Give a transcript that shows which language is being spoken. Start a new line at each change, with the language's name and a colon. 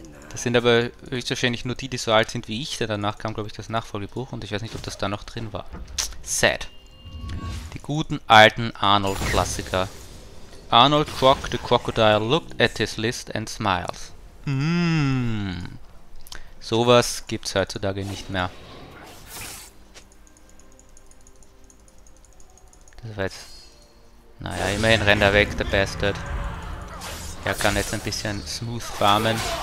German: Das sind aber höchstwahrscheinlich nur die, die so alt sind wie ich, denn danach kam, glaube ich, das Nachfolgebuch und ich weiß nicht, ob das da noch drin war. Sad. Die guten alten Arnold-Klassiker.
English: Arnold Croc, the Crocodile, looked at his list and smiles.
German: Sowas gibt's heutzutage nicht mehr. Das war jetzt... naja, immerhin rennt er weg, der Bastard. Er kann jetzt ein bisschen smooth farmen.